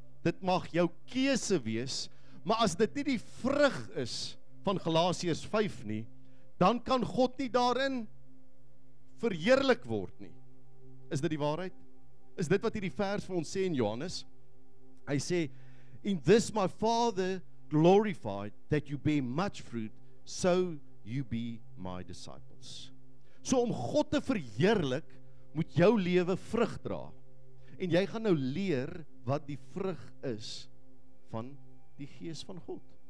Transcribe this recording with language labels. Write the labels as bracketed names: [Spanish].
[Afrikaans] dit mag jouw keuze wees, maar als dit niet die vrug is van Galatiërs 5 niet, dan kan God niet daarin verheerlijk word nie. Is dit die waarheid? Is dit wat hier die vers van ons sê in Johannes? Hy sê, [English] in this my Father glorified that you bear much fruit, so you be my disciples. [Afrikaans] So om God te verheerlik, moet jouw leven vrug dra. En jij gaat nou leer wat die vrug is van die geest van God.